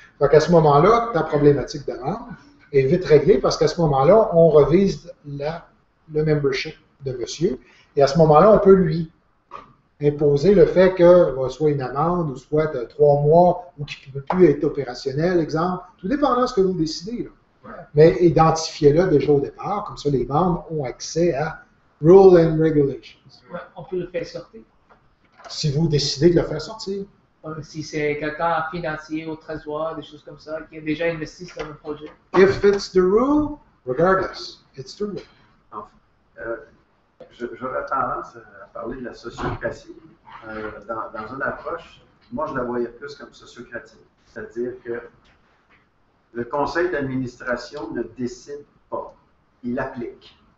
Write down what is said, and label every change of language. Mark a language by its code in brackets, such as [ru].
[fr] Donc, à ce moment-là, ta problématique demande est vite réglée parce qu'à ce moment-là, on revise le membership de monsieur, et à ce moment-là, on peut lui imposer le fait que soit une amende ou soit trois mois ou qu'il ne peut plus être opérationnel, exemple, tout dépendant de ce que vous décidez. Là. Ouais. Mais identifiez-le déjà au départ, comme ça les membres ont accès à [en] rule and regulations. [fr] Ouais, on peut le faire sortir. Si vous décidez de le faire sortir. Ouais, si c'est quelqu'un financier au trésor, des choses comme ça, qui a déjà investi sur le projet. [en] If it's the rule, regardless, it's the rule. [fr] J'aurais tendance à parler de la sociocratie dans une approche, moi je la voyais plus comme sociocratique, c'est-à-dire que le conseil d'administration ne décide pas, il applique.